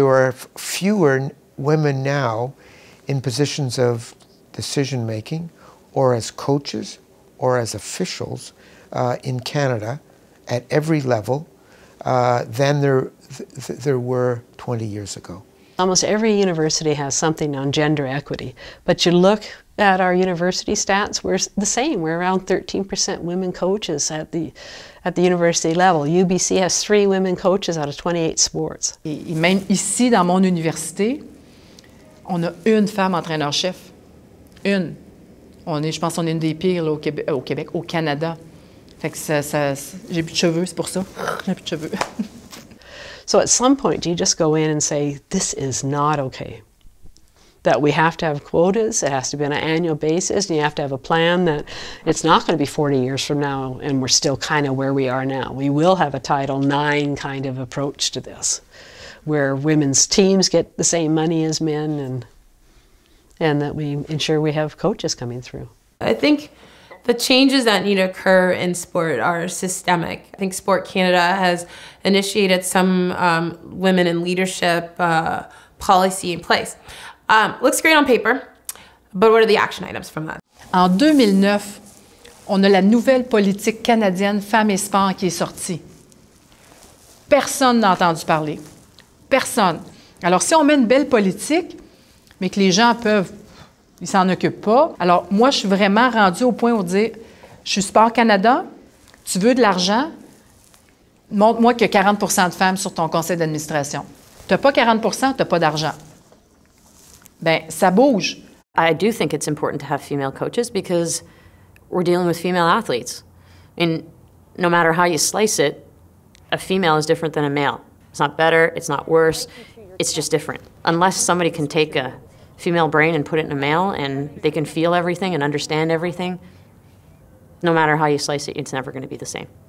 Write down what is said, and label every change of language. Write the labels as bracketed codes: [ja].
[en] There are fewer women now in positions of decision making or as coaches or as officials in Canada at every level than there were 20 years ago. Almost every university has something on gender equity, but you look at our university stats, we're the same. We're around 13% women coaches at the university level. UBC has 3 women coaches out of 28 sports. [fr] Et même ici dans mon université, on a une femme entraîneur-chef. Une. Je pense qu'on est une des pires là, au Québec, au Canada. Fait que j'ai plus de cheveux, c'est pour ça. J'ai plus de cheveux. [en] So at some point, do you just go in and say, this is not okay? That we have to have quotas, it has to be on an annual basis, and you have to have a plan that it's not going to be 40 years from now and we're still kind of where we are now. We will have a Title IX kind of approach to this, where women's teams get the same money as men and that we ensure we have coaches coming through. I think the changes that need to occur in sport are systemic. I think Sport Canada has initiated some women in leadership policy in place. Looks great on paper, but what are the action items from that? [fr] En 2009, on a la nouvelle politique canadienne femmes et sport qui est sortie. Personne n'a entendu parler. Personne. Alors si on met une belle politique, mais que les gens peuvent, ils s'en occupent pas. Alors moi, je suis vraiment rendue au point où dire, je suis Sport Canada, tu veux de l'argent, montre-moi qu'il y a 40% de femmes sur ton conseil d'administration. T'as pas 40%, t'as pas d'argent. Ben, ça bouge. [en] I do think it's important to have female coaches because we're dealing with female athletes. And no matter how you slice it, a female is different than a male. It's not better, it's not worse, it's just different. Unless somebody can take a female brain and put it in a male and they can feel everything and understand everything, no matter how you slice it, it's never going to be the same.